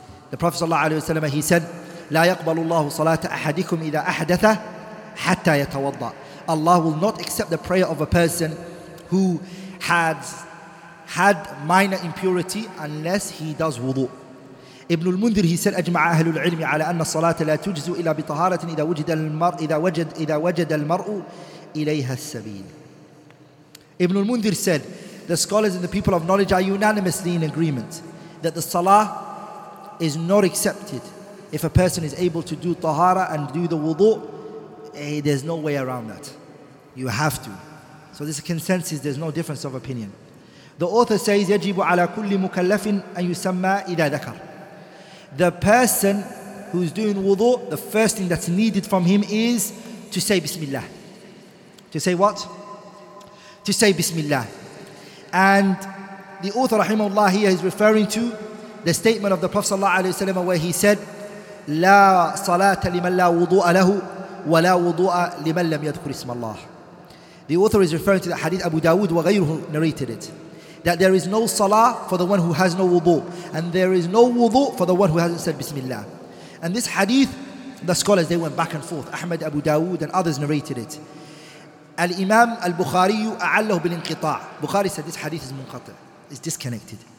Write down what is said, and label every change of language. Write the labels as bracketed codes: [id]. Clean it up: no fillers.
[en] The Prophet sallallahu alaihi wasallam, he said, [ar] لا يقبل الله صلاة أحدكم إذا أحدث حتى يتوضأ. [en] Allah will not accept the prayer of a person who has had minor impurity unless he does wudu. [ar] Ibn al-Mundhir, [en] he said, [ar] أجمع أهل العلم على أن الصلاة لا تجزء إلا بطهارة إذا وجد المرء إليها السبيل. [en] Ibn al-Mundhir said, the scholars and the people of knowledge are unanimously in agreement that the salah is not accepted if a person is able to do tahara and do the wudu. There's no way around that. You have to. So this is a consensus. There's no difference of opinion. The author says, [ar] يجب على كل مكلف أن يسمى إذا ذكر. [en] The person who's doing wudu, the first thing that's needed from him is to say Bismillah. To say what? To say Bismillah. And the author, rahimahullah, here is referring to the statement of the Prophet sallallahu alaihi wasallam, where he said, [ar] لا صلاة لمن لا وضوء له ولا وضوء لمن لم يذكر اسم الله. [en] The author is referring to the hadith Abu Dawood, وغيره narrated it, that there is no salah for the one who has no wudu, and there is no wudu for the one who hasn't said Bismillah. And this hadith, the scholars, they went back and forth. Ahmad, Abu Dawood, and others narrated it. [ar] Al-Imam Al-Bukhari, أعله بالانقطاع. [en] Bukhari said this hadith is منقطع, is disconnected.